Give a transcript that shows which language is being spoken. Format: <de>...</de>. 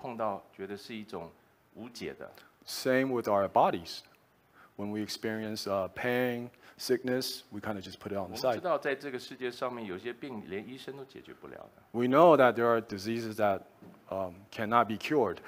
<zh>我们多少人在自己的身体上面、疾病上面，也是碰到觉得是一种无解的。</zh> <en>Same with our bodies. When we experience pain, sickness, we kind of just put it on the side.</en> <zh>我们知道在这个世界上面有些病连医生都解决不了的。</zh> <en>We know that there are diseases that cannot be cured.</en>